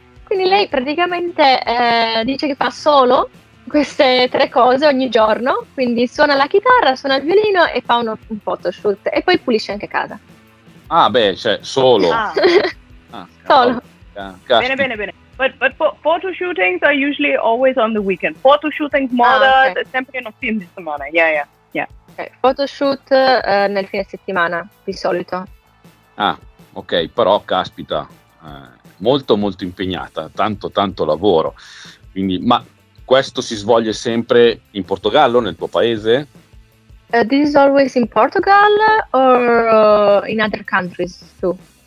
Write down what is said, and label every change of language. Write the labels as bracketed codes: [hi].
[it] Quindi lei praticamente dice che fa solo queste tre cose ogni giorno, quindi suona la chitarra, suona il violino e fa un photoshoot e poi pulisce anche casa. Ah beh, cioè solo. Ah. Solo. Bene. [en] But photo shootings are usually always on the weekend. [it] Photo shooting more sempre in fine settimana. Yeah. Okay. Photo shoot nel fine settimana di solito. Ah, ok, però caspita, molto molto impegnata, tanto lavoro. Quindi ma questo si svolge sempre in Portogallo, nel tuo paese? [en] This is always in Portugal or in other countries too?